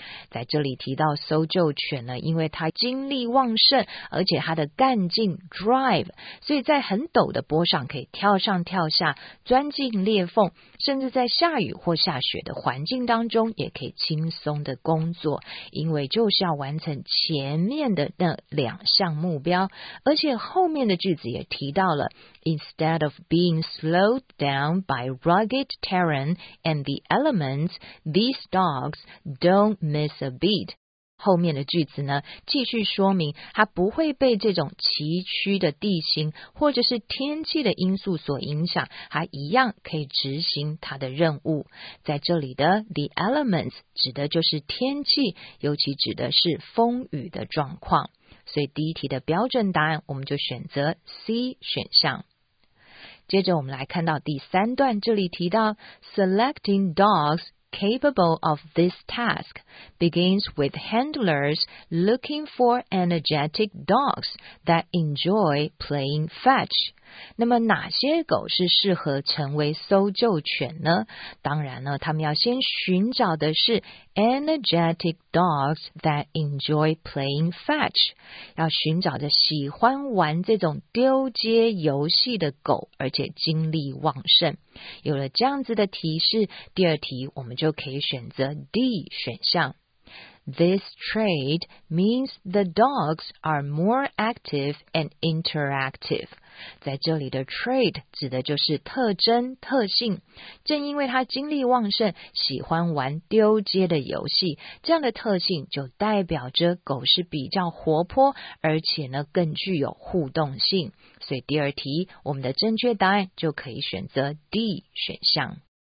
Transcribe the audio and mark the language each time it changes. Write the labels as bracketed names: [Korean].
[Chinese] 在这里提到搜救犬呢，因为它精力旺盛，而且它的干劲 drive， 所以在很陡的坡上可以跳上跳下，钻进裂缝，甚至在下雨或下雪的环境当中也可以轻松的工作，因为就是要完成前面的那两项目标。而且后面的句子也提到了 [English] instead of being slowed down by rugged terrain and the elements, these dogs don't miss a beat。 [Chinese] 后面的句子呢继续说明它不会被这种崎岖的地形或者是天气的因素所影响，它一样可以执行它的任务。在这里的 the elements 指的就是天气，尤其指的是风雨的状况，所以第一题的标准答案我们就选择 C 选项。接着我们来看到第三段，这里提到 [English] selecting dogs capable of this task begins with handlers looking for energetic dogs that enjoy playing fetch. [Chinese] 那么哪些狗是适合成为搜救犬呢？当然呢，他们要先寻找的是 [English] energetic dogs that enjoy playing fetch， [Chinese] 要寻找着喜欢玩这种丢街游戏的狗，而且精力旺盛。有了这样子的提示，第二题我们就可以选择 D 选项。 [English] This trait means the dogs are more active and interactive. [Chinese] 在这里的 trait 指的就是特征、特性。正因为它精力旺盛，喜欢玩丢街的游戏，这样的特性就代表着狗是比较活泼，而且呢更具有互动性。所以第二题，我们的正确答案就可以选择 D 选项。